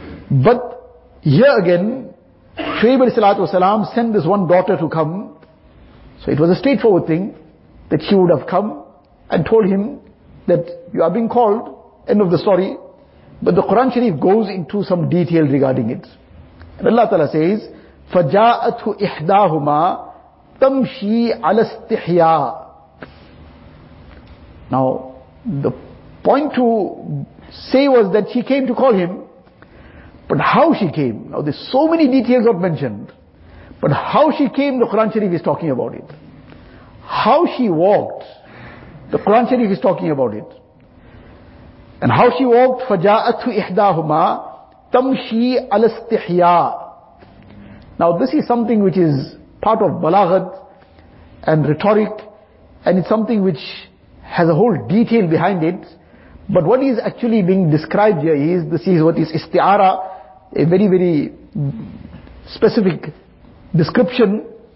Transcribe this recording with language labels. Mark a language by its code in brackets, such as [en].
[en] But here again, Shu'ayb alayhi salatu wasalam sent this one daughter to come. So it was a straightforward thing that she would have come and told him that you are being called, end of the story. But the Quran Sharif goes into some detail regarding it. And Allah Ta'ala says, [ar] فَجَاءَتْهُ إِحْدَاهُمَا تَمْشِي عَلَى اسْتِحْيَا. [en] Now, the point to say was that she came to call him. But how she came? Now, there's so many details not mentioned. But how she came, the Quran Sharif is talking about it. How she walked, the Quran Sharif is talking about it. And how she walked, [ar] فَجَاءَتْهُ إِحْدَاهُمَا تَمْشِي عَلَى اسْتِحْيَا. [en] Now this is something which is part of balaghat and rhetoric, and it's something which has a whole detail behind it. But what is actually being described here is, this is what is isti'ara, a very, very specific description.